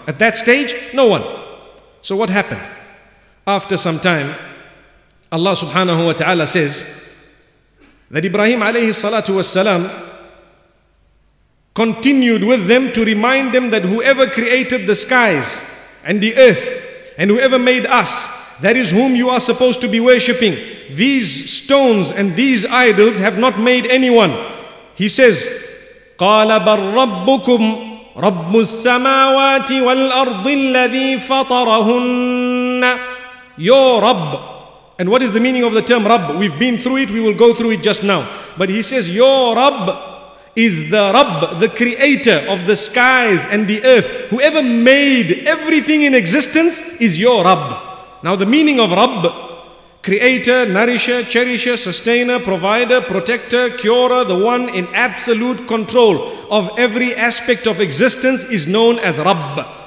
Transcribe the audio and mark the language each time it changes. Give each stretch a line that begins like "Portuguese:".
English: At that stage, no one. So what happened? After some time, Allah subhanahu wa ta'ala says that Ibrahim alayhi salatu wassalam continued with them to remind them that whoever created the skies and the earth and whoever made us, that is whom you are supposed to be worshipping. These stones and these idols have not made anyone. He says,
Arabic: قَالَ بَلْ رَبُّكُمْ رَبُّ السَّمَاوَاتِ وَالْأَرْضِ الَّذِي فَطَرَهُنَّ
English: Your Rabb. And what is the meaning of the term Rabb? We've been through it, we will go through it just now. But he says, your Rabb is the Rabb, the creator of the skies and the earth. Whoever made everything in existence is your Rabb. Now the meaning of Rabb, creator, nourisher, cherisher, sustainer, provider, protector, curer, the one in absolute control of every aspect of existence is known as Rabb.